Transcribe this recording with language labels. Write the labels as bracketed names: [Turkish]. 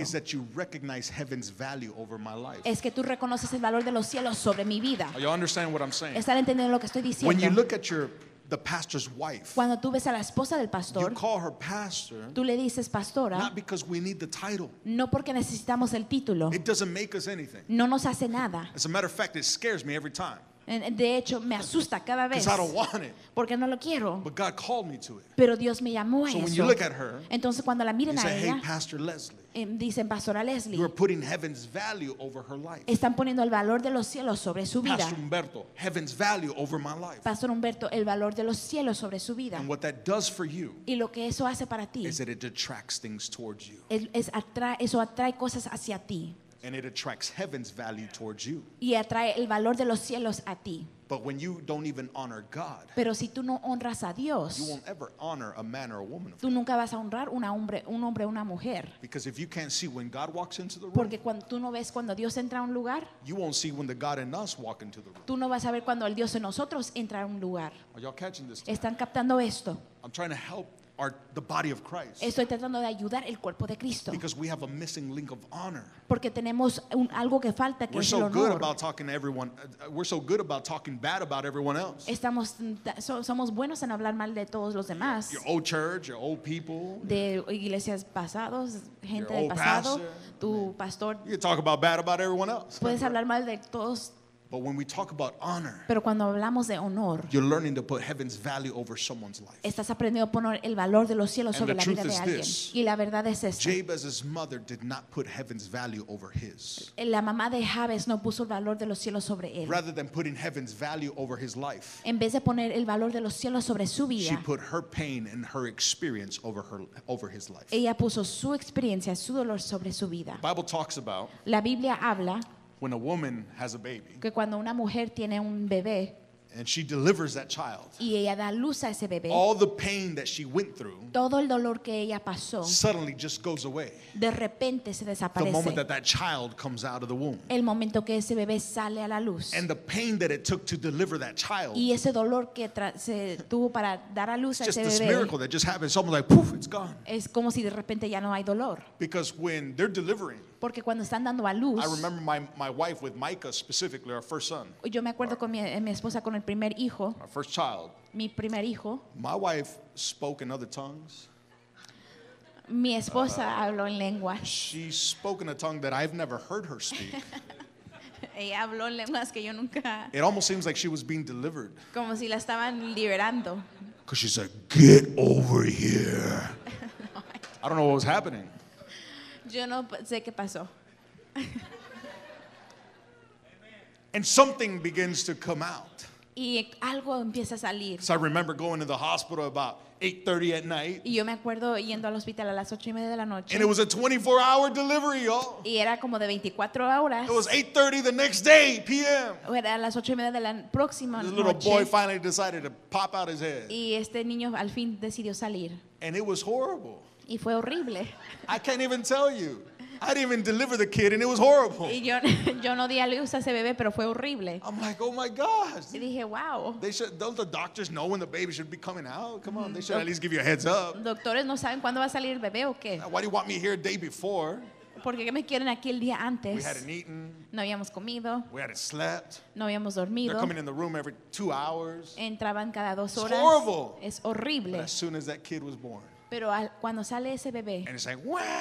[English] It's that you recognize heaven's value over my life. [Spanish] Es que tú reconoces el valor de los cielos sobre mi vida. [English] Are you understanding what I'm saying? [Spanish] ¿Están entendiendo lo que estoy diciendo? [English] When you look at your the pastor's wife. [Spanish] Cuando tú ves a la esposa del pastor, [English] you call her pastor. [Spanish] Tú le dices pastora. [English] Not because we need the title. [Spanish] No porque necesitamos el título. [English] It doesn't make us anything. [Spanish] No nos hace nada. [English] As a matter of fact, it scares me every time. [Spanish] De hecho, me asusta cada vez. [English] Because I don't want it. [Spanish] Porque no lo quiero. [English] But God called me to it. [Spanish] Pero Dios me llamó a [English] so [Spanish] eso. [English] When you look at her, [Spanish] entonces cuando la miren [English] say, [Spanish] a ella, [English] hey, Pastor Leslie. [Spanish] Dicen pastora Leslie. [English] You are putting heaven's value over her life. [Spanish] Están poniendo el valor de los cielos sobre su vida. [English] Pastor Humberto, heaven's value over my life. [Spanish] Pastor Humberto, el valor de los cielos sobre su vida. [English] And what that does for you. [Spanish] Y lo que eso hace para ti. [English] Is that it attracts things towards you. [Spanish] Eso atrae cosas hacia ti. [English] And it attracts heaven's value towards you. [Spanish] Y atrae el valor de los cielos a ti. [English] But when you don't even honor God, [Spanish] pero si tú no honras a Dios, [English] you won't ever honor a man or a woman. [Spanish] Tú nunca vas a honrar una hombre, un hombre, una mujer. [English] Because if you can't see when God walks into the room, [Spanish] porque cuando tú no ves cuando Dios entra a un lugar, [English] you won't see when the God in us walk into the room. [Spanish] Tú no vas a ver cuando el Dios en nosotros entra a un lugar. [English] Are y'all catching this? [Spanish] Están captando esto. [English] I'm trying to help. Are the body of Christ. [Spanish] Estoy tratando de ayudar el cuerpo de Cristo. [English] Because we have a missing link of honor. [Spanish] Porque tenemos un, algo que falta, que [English] we're [Spanish] es [English] so [Spanish] el honor. [English] Good about talking to everyone. We're so good about talking bad about everyone else. [Spanish] Estamos, somos buenos en hablar mal de todos los demás. [English] Your old church, your old people. [Spanish] De iglesias pasados, gente del pasado. Tu pastor. [English] You talk about bad about everyone else. [Spanish] Puedes hablar mal de todos. [English] But when we talk about honor, [Spanish] pero cuando hablamos de honor, [English] you're learning to put heaven's value over someone's life. [Spanish] Estás aprendiendo a poner el valor de los cielos sobre la vida de alguien. Y la verdad es esta. [English] Jabez's mother did not put heaven's value over his. [Spanish] La mamá de Jabez no puso el valor de los cielos sobre él. [English] Rather than putting heaven's value over his life, [Spanish] en vez de poner el valor de los cielos sobre su vida, [English] she put her pain and her experience over his life. [Spanish] Ella puso su experiencia, su dolor sobre su vida. [English] Bible talks about. [Spanish] La Biblia habla. [English] When a woman has a baby, [Spanish] que cuando una mujer tiene un bebé, [English] and she delivers that child, [Spanish] y ella da luz a ese bebé, [English] all the pain that she went through, [Spanish] todo el dolor que ella pasó, [English] suddenly just goes away. [Spanish] De repente se desaparece. [English] The moment that child comes out of the womb, [Spanish] el momento que ese bebé sale a la luz, [English] and the pain that it took to deliver that child, [Spanish] y ese dolor que se tuvo para dar a luz a ese bebé, [English] just this miracle that just happens, almost like poof, it's gone. [Spanish] Es como si de repente ya no hay dolor. [English] Because when they're delivering. [Spanish] Porque cuando están dando a luz, [English] I remember my wife with Micah specifically, our first son. [Spanish] Yo me acuerdo con mi esposa con el primer hijo. [English] Our first child. [Spanish] Mi primer hijo. [English] My wife spoke in other tongues. [Spanish] Mi esposa habló en lenguas. [English] She spoke in a tongue that I've never heard her speak. [Spanish] Ella habló en lenguas que yo nunca. [English] It almost seems like she was being delivered. [Spanish] Como si la estaban liberando. [English] Because she said, "Get over here." I don't know what was happening. [Spanish] Yo no sé qué pasó. [English] And something begins to come out. [Spanish] Y algo empieza a salir. [English] So I remember going to the hospital about 8:30 at night. [Spanish] Y yo me acuerdo yendo al hospital a las 8:30 de la noche. [English] And it was a 24-hour delivery, y'all. [Spanish] Y era como de 24 horas. [English] It was 8:30 the next day, p.m. [Spanish] Era a las 8:30 de la próxima noche. [English] The little boy finally decided to pop out his head. [Spanish] Y este niño al fin decidió salir. [English] And it was horrible. [Spanish] Y fue horrible. [English] I can't even tell you. I didn't even deliver the kid and it was horrible. [Spanish] Y yo no di a luz a ese bebé, pero fue horrible. [English] I'm like, oh my gosh. [Spanish] Y dije, wow. [English] Don't the doctors know when the baby should be coming out? Come on, they should at least give you a heads up. [Spanish] Doctores no saben cuándo va a salir el bebé o qué. [English] Why do you want me here a day before? [Spanish] Porque me quieren aquí el día antes. [English] We hadn't eaten. [Spanish] No habíamos comido. [English] We hadn't slept. [Spanish] No habíamos dormido. [English] They're coming in the room every 2 hours. [Spanish] Entraban cada dos horas. [English] It's horrible. [Spanish] Es horrible. [English] But as soon as that kid was born. [Spanish] Pero cuando sale ese bebé, [English] and it's like, wah!